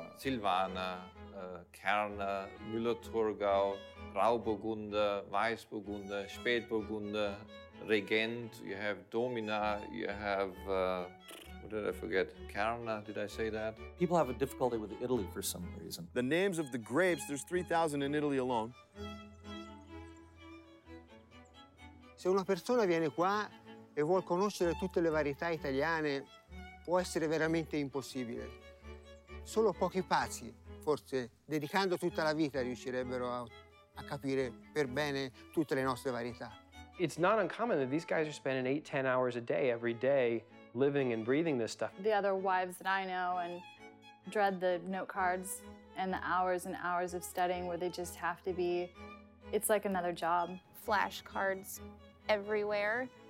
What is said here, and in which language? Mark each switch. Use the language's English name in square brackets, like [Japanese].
[English] Silvaner. Kerne, Müller-Thurgau, Grauburgunder, Weißburgunder, Spätburgunder, Regent, you have Domina, you have, what did I forget? Kerne, did I say that? People have a difficulty with Italy for some reason. The names of the grapes, there's 3,000 in Italy alone. [Italian] Se una persona viene qua e vuol conoscere tutte le varietà italiane, può essere veramente impossibile. Solo pochi pazzi. Forse dedicando tutta la vita riuscirebbero a capire per bene tutte le nostre varietà. [English] It's not uncommon that these guys are spending 8-10 hours a day every day living and breathing this stuff. The other wives that I know and dread the note cards and hours of studying where they just have to be, it's like another job. Flashcards everywhere.